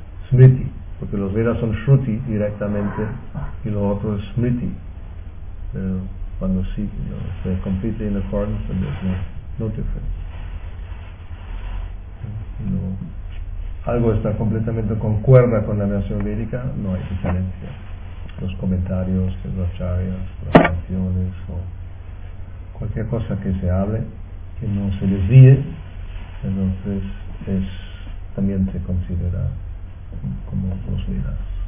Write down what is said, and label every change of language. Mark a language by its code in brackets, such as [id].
[es] Smriti, porque los Vedas son Shruti directamente, y lo otro es Smriti. Cuando sí, [en] they're completely in accordance, and there's no difference. [es] No. Algo está completamente concuerda con la versión védica, no hay diferencia. Los comentarios de los acharyas, las canciones o cualquier cosa que se hable, que no se desvíe, entonces es, también se considera como los Vedas.